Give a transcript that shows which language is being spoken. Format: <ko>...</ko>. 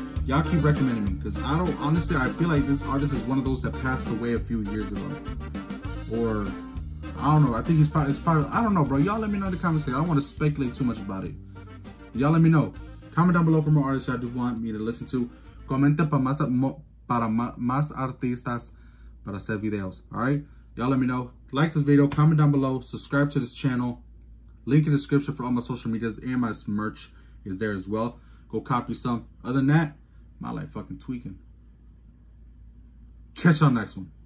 <en>Y'all keep recommending me, because I feel like this artist is one of those that passed away a few years ago. Or, I don't know, I think he's probably, I don't know, bro. Y'all let me know in the comments here. I don't want to speculate too much about it. Y'all let me know. Comment down below for more artists y'all do want me to listen to.</en> <es>Comenta para más artistas para hacer videos,</es> <en>all right? Y'all let me know. Like this video, comment down below, subscribe to this channel. Link in the description for all my social medias and my merch is there as well. Go copy some. Other than that, my life fucking tweaking. Catch y'all next one.</en>